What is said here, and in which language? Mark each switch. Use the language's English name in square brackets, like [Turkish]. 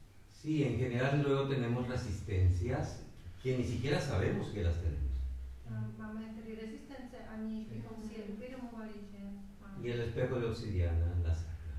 [Spanish] Sí, en general luego tenemos resistencias que ni siquiera sabemos que las tenemos. [Czech] Máme tedy rezistence, ani bychom si je uvědomovali, že máme. [Spanish] Y el espejo de obsidiana, la sangre.